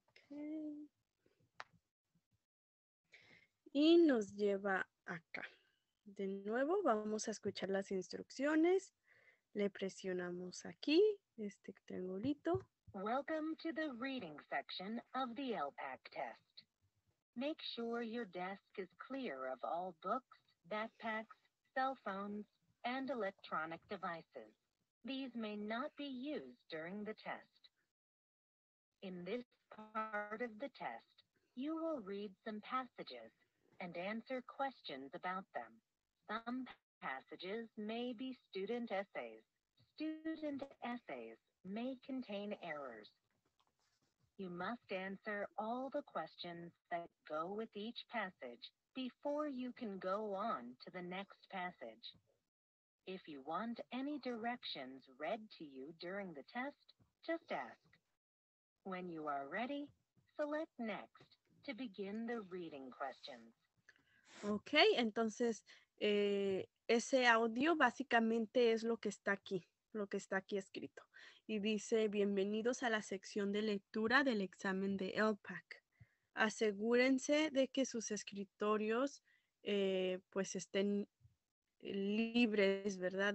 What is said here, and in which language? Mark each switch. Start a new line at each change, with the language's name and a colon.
English: Okay.
Spanish: Y nos lleva acá. De nuevo, vamos a escuchar las instrucciones. Le presionamos aquí, este triangulito.
English: Welcome to the reading section of the LPAC test. Make sure your desk is clear of all books, backpacks, cell phones, and electronic devices. These may not be used during the test. In this part of the test, you will read some passages and answer questions about them. Some passages may be student essays. Student essays may contain errors. You must answer all the questions that go with each passage before you can go on to the next passage. If you want any directions read to you during the test, just ask. When you are ready, select next to begin the reading questions.
Spanish: Okay, entonces ese audio básicamente es lo que está aquí escrito. Y dice, bienvenidos a la sección de lectura del examen de LPAC. Asegúrense de que sus escritorios pues estén libres, ¿verdad?